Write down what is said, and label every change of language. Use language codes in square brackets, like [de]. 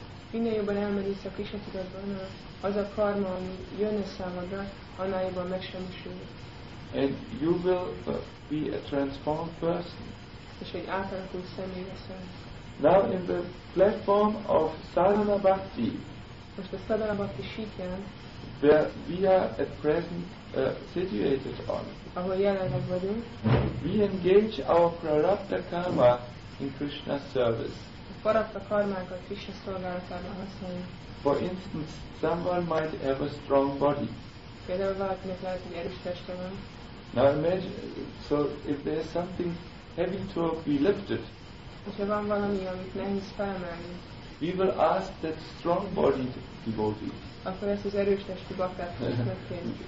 [hu] Minél jobban elmerülsz a Krishna tudatban, az a karma, ami jön számodra, annál jobban megsemmisül. [en] And you will be a transformed person. [hu] És egy átalakult személy leszel. [en] Now in the platform of sadhana bhakti, [hu] most a sadhana bhakti síkján, [en] where we are at present situated on, [hu] ahol jelenleg vagyunk, [en] we engage our prarabdha karma in Krishna's service. [hu] Paraszta karmákat Krisna szolgálatára használni. [en] For instance, someone might have a strong body. [hu] Például valakinek lehet, hogy erős teste van. [en] Now imagine, so if there is something heavy to be lifted, [hu] hogyha van valami, amit nehéz felemelni, [en] we will ask that strong-bodied devotee. [hu] Akkor ezt az erős testű baktát kérjük.